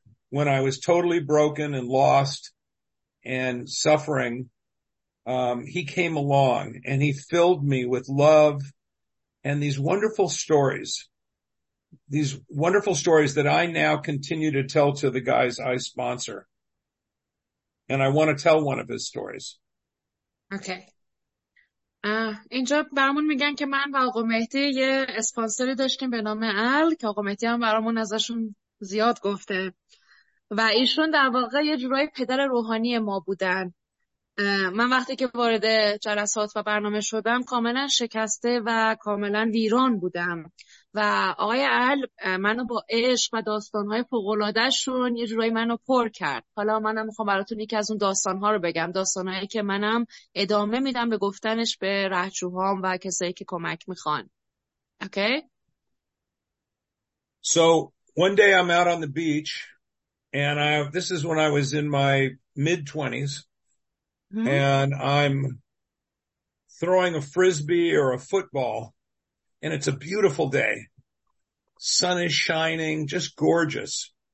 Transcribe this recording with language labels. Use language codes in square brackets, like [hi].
[en] When I was totally broken and lost and suffering, he came along and he filled me with love and these wonderful stories that I now continue to tell to the guys I sponsor. And I want to tell one of his stories. Okay. [fa] اینجا برامون میگن که من و آقا مهدی یه اسپانسری داشتیم به نام ال که آقا مهدی هم برامون ازشون زیاد گفته و ایشون در واقع یه جورای پدر روحانی ما بودن. من وقتی که وارد جلسات و برنامه شدم کاملا شکسته و کاملا ویران بودم و آقای ال منو با عشق و داستانهای فوق‌العاده‌شون یه جورایی منو پر کرد. حالا منم میخوام براتون یکی از اون داستانها رو بگم. داستانهایی که منم ادامه میدم به گفتنش به رهجوهام و کسایی که کمک میخوان. [en] Okay? So one day I'm out on the beach and this is when I was in my mid-20s and I'm throwing a frisbee or a football. And it's a beautiful day. Sun is shining, just gorgeous.